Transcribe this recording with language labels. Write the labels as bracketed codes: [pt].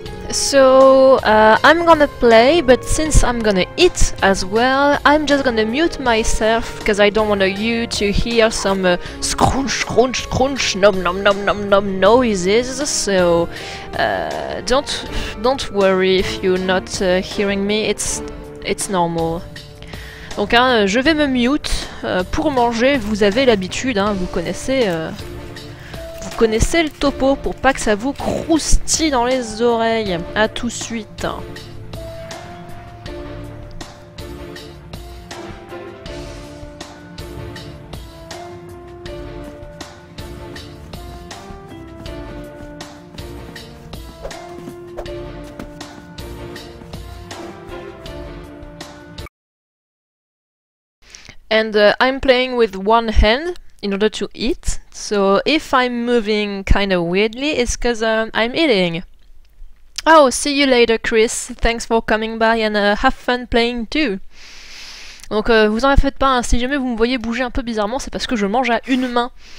[en] So, I'm gonna play, but since I'm gonna eat as well, I'm just gonna mute myself, because I don't want you to hear some scrunch, scrunch, scrunch, nom nom nom nom nom noises, so don't worry if you're not hearing me, it's normal. [fr] Donc hein, je vais me mute pour manger, vous avez l'habitude, hein, vous connaissez le topo pour pas que ça vous croustille dans les oreilles. À tout de suite. [en] And I'm playing with one hand in order to eat. So if I'm moving kind of weirdly, it's because I'm eating. Oh, see you later, Chris. Thanks for coming by and have fun playing too. [fr] Donc, vous en faites pas. Hein. Si jamais vous me voyez bouger un peu bizarrement, c'est parce que je mange à une main.